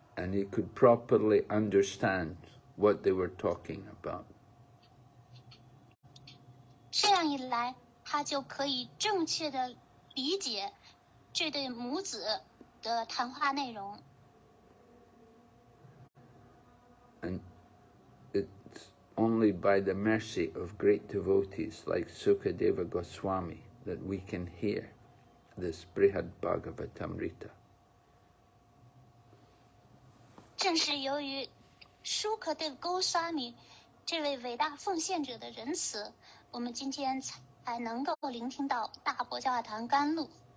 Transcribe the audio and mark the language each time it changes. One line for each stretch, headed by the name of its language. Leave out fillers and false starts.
English: And he could properly understand what they were talking about.
Chinese: 这样一来，他就可以正确的理解这对母子的谈话内容。
English: And it's only by the mercy of great devotees like Sukadeva Goswami that we can hear this Brihad Bhagavatamrita.
Chinese: 正是由于 Shukadev Goswami 这位伟大奉献者的仁慈，我们今天才能够聆听到大伯教化堂甘露。